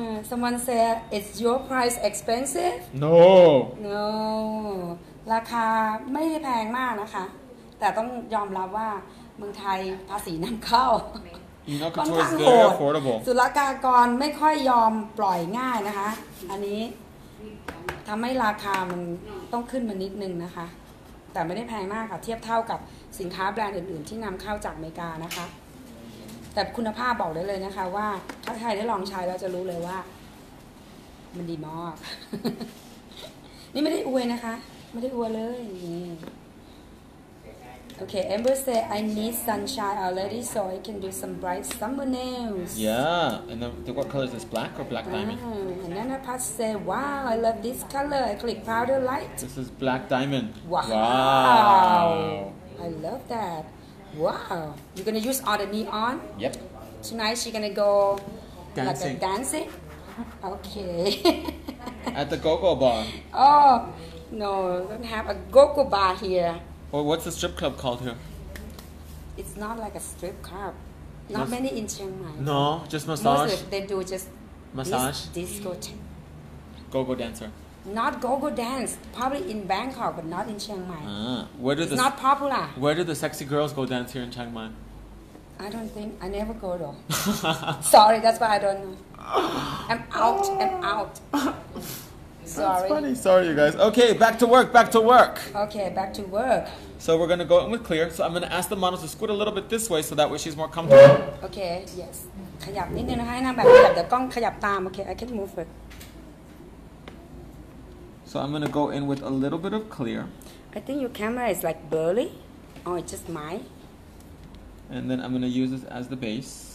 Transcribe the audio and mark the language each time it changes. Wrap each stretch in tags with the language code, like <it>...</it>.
<en>Someone said, is your price expensive? No. No.</en> <th>ราคาไม่ได้แพงมากนะคะแต่ต้องยอมรับว่าเมืองไทยภาษีนำเข้า ค่อนข้างโหด ศุลกากรไม่ค่อยยอมปล่อยง่ายนะคะอันนี้ทำให้ราคามันต้องขึ้นมานิดนึงนะคะแต่ไม่ได้แพงมากค่ะเทียบเท่ากับสินค้าแบรนด์อื่นๆที่นำเข้าจากอเมริกานะคะ แต่คุณภาพบอกได้เลยนะคะว่าถ้าใครได้ลองใช้แล้วจะรู้เลยว่ามันดีมากนี่ไม่ได้อวยนะคะไม่ได้อวยเลยโอเค</th> <en>Amber say I need sunshine already so I can do some bright summer nails yeah and then what color is this black or black diamond and then Nanapas say wow I love this color I click powder light this is black diamond wow I love thatWow, you're gonna use all the neon? Yep. Tonight she's gonna go dancing. Like a dancing? Okay. At the go-go bar. Oh, no, we don't have a go-go bar here. Well, what's the strip club called here? It's not like a strip club. Not many in Chiang Mai. No, just massage? Most of they do just massage. Discotheque. Go-go dancer. Not go-go dance, probably in Bangkok, but not in Chiang Mai. It's not popular. Where do the sexy girls go dance here in Chiang Mai? I don't think, I never go though. Sorry, that's why I don't know. I'm out. Sorry. That's funny, sorry you guys. Okay, back to work. Okay, back to work. So we're gonna go in with clear. So I'm gonna ask the model to squirt a little bit this way so that way she's more comfortable. Okay, yes.</en> <th>ขยับนิดนึงนะคะนางแบบขยับเดี๋ยวกล้องขยับตาม</th> <en>Okay, I can move it. So I'm gonna go in with a little bit of clear. I think your camera is like blurry, or it's just mine. And then I'm gonna use this as the base.</en>